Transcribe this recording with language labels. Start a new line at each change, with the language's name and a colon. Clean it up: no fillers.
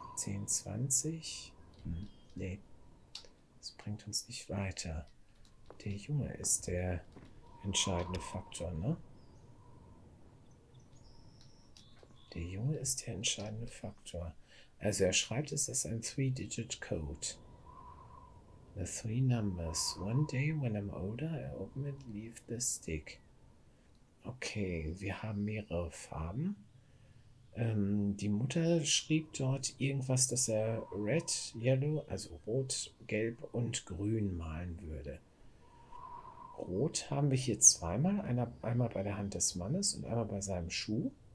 German: 10, 20. Nee. Das bringt uns nicht weiter. Der Junge ist der entscheidende Faktor, ne? Der Junge ist der entscheidende Faktor. Also er schreibt, es ist ein 3-Digit-Code.
English: The three numbers. One day when I'm older, I open and leave the stick.
German: Okay, wir haben mehrere Farben. Die Mutter schrieb dort irgendwas, dass er
English: red, yellow,
German: also rot, gelb und grün malen würde. Rot haben wir hier zweimal. Einmal bei der Hand des Mannes und einmal bei seinem Schuh.